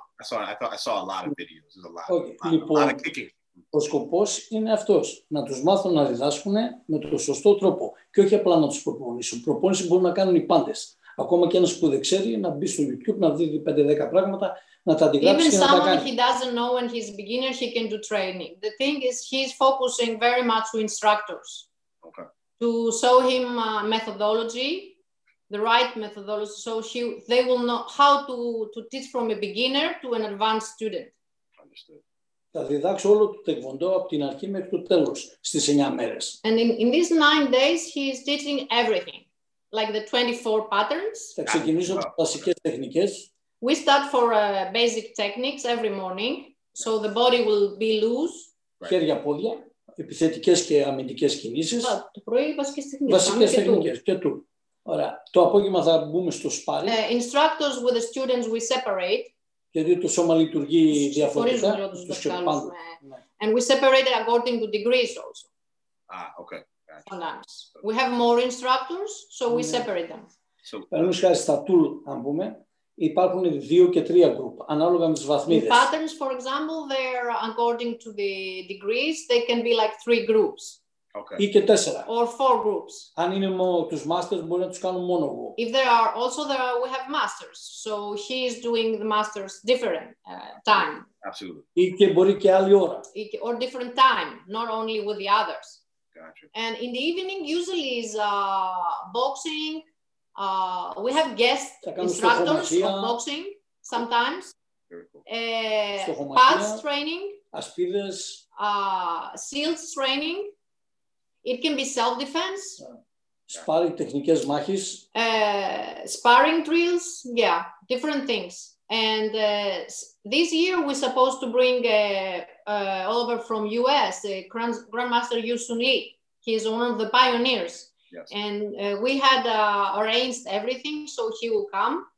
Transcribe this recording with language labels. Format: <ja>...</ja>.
<en>I saw a lot of videos. A lot of kicking.</en> <el>Ο σκοπός είναι αυτός, να τους μάθουν να διδάσκουν με τον σωστό τρόπο και όχι απλά να τους προπονήσουν. Προπόνηση μπορούν να κάνουν οι πάντες. Ακόμα και ένας που δεν ξέρει να μπει στο YouTube, να δει 5-10 πράγματα, να τα αντιγράψει και να τα κάνει. Even</el> <en>someone he doesn't know when he's a beginner, he can do training. The thing is he's focusing very much to instructors. Okay. To show him methodology, the right methodology, so he, they will know how to teach from a beginner to an advanced student.</en> <el>Θα διδάξω όλο το τεκβοντό από την αρχή μέχρι το τέλος στις 9 μέρες.</el> <en>And in these 9 days he is teaching everything. Like the 24 patterns.</en> <el>Θα ξεκινήσω από βασικές τεχνικές.</el> <en>We start for basic techniques every morning, so the body will be loose.</en> <el>Χέρια, πόδια, επιθετικές και αμυντικές κινήσεις. Το πρωί βασικές τεχνικές. Βασικές τεχνικές και του. Ωραία. Το απόγευμα θα μπούμε στο σπάρι.</el> <en>Instructors with the students we separate.</en> <el>Γιατί το σώμα λειτουργεί διαφορετικά στους σκεπάντους.</el> <en>And we separate it according to degrees also. Ah, okay. Sometimes. We have more instructors, so we separate them.</en> <el>Παραδείγματος χάρη στα tool, αν πούμε, υπάρχουν δύο και τρία group, ανάλογα με τις βαθμίδες.</el> <en>In patterns, for example, they're according to the degrees, they can be like three groups. Okay.</en> <el>Ή και τέσσερα.</el> <en>Or four groups.</en> <el>Αν είναι τους masters, μπορεί να τους κάνω μόνο εγώ.</el> <en>If there are also there are, we have masters, so he is doing the masters different time. Absolutely.</en> <el>Ή και μπορεί και άλλη ώρα.</el> <en>Or different time, not only with the others. Gotcha. And in the evening, usually is boxing. We have guest instructors of boxing sometimes. Very cool. Pads training.</en> <el>Ασπίδες.</el> <en>Shields training. It can be self-defense.</en> <el>Sparring, τεχνικές μάχης.</el> <en>Sparring drills, yeah, different things. And this year we're supposed to bring all over from US, Grandmaster Yu Sun Lee. He is one of the pioneers. Yes. And we had arranged everything, so he will come.</en>